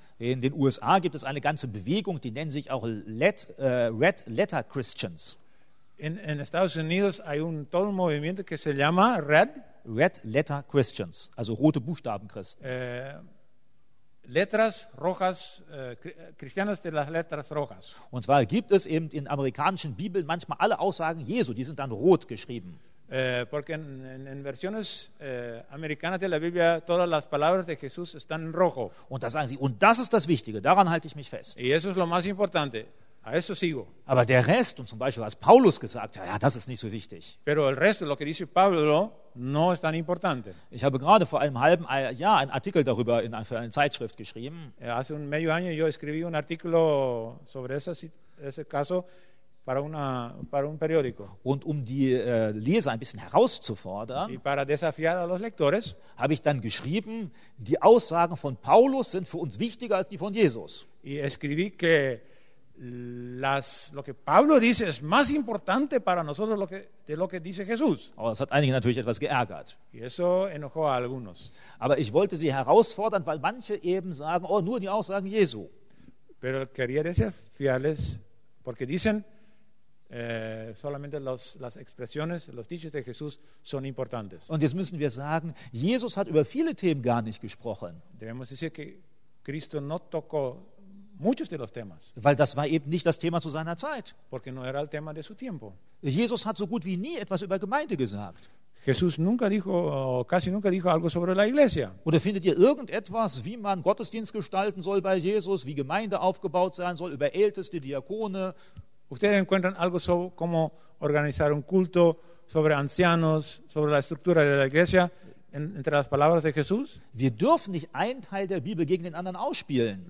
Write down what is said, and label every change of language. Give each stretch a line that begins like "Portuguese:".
German: In den USA gibt es eine ganze Bewegung, die nennen sich auch Red Letter Christians.
Spanish: In Estados Unidos hay un todo un movimiento que se llama Red
German: Letter Christians, also rote Buchstaben Christen.
Spanish: Letras rojas, cristianos de las letras rojas.
German: Und zwar gibt es eben in amerikanischen Bibeln manchmal alle Aussagen Jesu, die sind dann rot geschrieben.
Spanish: Porque en versiones americanas de la Biblia todas las palabras de Jesús están en rojo.
German: Und da sagen sie, und das ist das Wichtige, daran halte ich mich fest.
Spanish: Y eso es lo más importante. A eso sigo.
German: Aber der Rest, und zum Beispiel was Paulus gesagt hat, ja, das ist nicht so wichtig.
Spanish: Pero el resto, lo que dice Pablo, no es tan importante.
German: Ich habe gerade vor einem halben Jahr einen Artikel darüber in eine Zeitschrift geschrieben.
Spanish: Hace un medio año yo escribí un artículo sobre ese caso para un periódico.
German: Und um die Leser ein bisschen herauszufordern,
Spanish: y para desafiar a los lectores,
German: habe ich dann geschrieben, die Aussagen von Paulus sind für uns wichtiger als die von Jesus.
Spanish: Y escribí que lo que Pablo dice es más importante para nosotros de lo que dice Jesús.
German: Aber es hat einige natürlich etwas geärgert.
Spanish: Y eso enojó a algunos.
German: Aber ich wollte sie herausfordern, weil manche eben sagen, oh, nur die Aussagen Jesu.
Spanish: Pero quería desafiarles porque dicen solamente las expresiones, los dichos de Jesús son importantes.
German: Und jetzt müssen wir sagen, Jesus hat über viele Themen gar nicht gesprochen.
Spanish: Debemos decir que Cristo no tocó muchos de los temas.
German: Weil das war eben nicht das Thema zu seiner Zeit.
Spanish: Porque no era el tema de su tiempo.
German: Jesus hat so gut wie nie etwas über Gemeinde gesagt.
Spanish: Jesús nunca dijo, casi nunca dijo algo sobre la iglesia.
German: Oder findet ihr irgendetwas, wie man Gottesdienst gestalten soll bei Jesus, wie Gemeinde aufgebaut sein soll, über Älteste, Diakone?
Spanish: Ustedes encuentran algo sobre cómo organizar un culto, sobre ancianos, sobre la estructura de la iglesia, entre las palabras de Jesús?
German: Wir dürfen nicht einen Teil der Bibel gegen den anderen ausspielen.